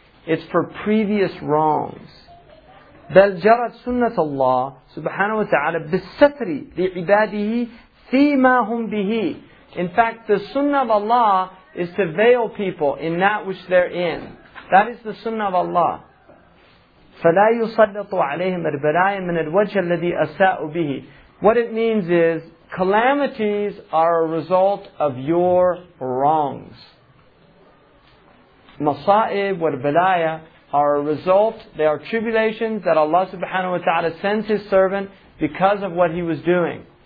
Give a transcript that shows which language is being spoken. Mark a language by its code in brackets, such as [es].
[en] It's for previous wrongs. [ar] بَلْ جَرَتْ سُنَّةَ اللَّهِ سُبْحَانَهُ وَتَعَالَى بِالسَّتْرِ لِعِبَادِهِ فِي مَا هُمْ بِهِ. [en] In fact, the sunnah of Allah is to veil people in that which they're in. That is the sunnah of Allah. [ar] فلا يسلط عليهم البلايا من الوجه الذي أساءوا به. [en] What it means is, calamities are a result of your wrongs. [ar] مصائب والبلايا [en] are a result, they are tribulations that Allah subhanahu wa ta'ala sends His servant because of what he was doing.